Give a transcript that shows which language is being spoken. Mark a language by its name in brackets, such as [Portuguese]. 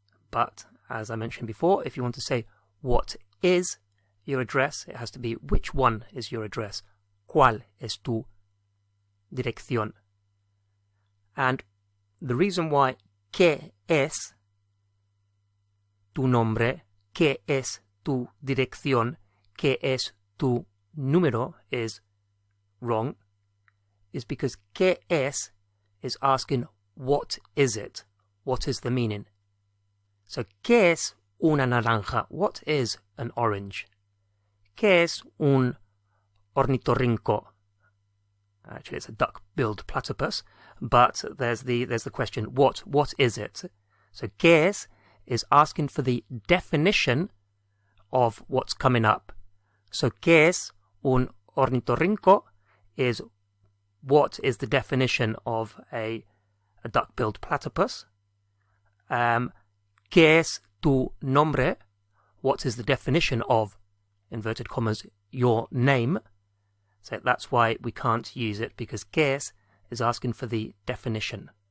[English] But, as I mentioned before, if you want to say, what is your address, it has to be, which one is your address? [Spanish] ¿Cuál es tu dirección? [English] And the reason why, [Spanish] ¿qué es tu nombre? ¿Qué es tu dirección? ¿Qué es tu número? [English] Is wrong, is because [Spanish] ¿qué es? [English] Is asking, what is it? What is the meaning? So, [Spanish] ¿qué es una naranja? [English] What is an orange? [Spanish] ¿Qué es un ornitorrinco? [English] Actually, it's a duck-billed platypus, but there's the question, what is it? So, [Spanish] ¿qué es? [English] Is asking for the definition of what's coming up. [Spanish] So, ¿qué es un ornitorrinco? [English] Is what is the definition of a duck-billed platypus? [Spanish] ¿Qué es tu nombre? [English] What is the definition of, inverted commas, your name? So that's why we can't use it, because [Spanish] ¿qué es? [English] Is asking for the definition.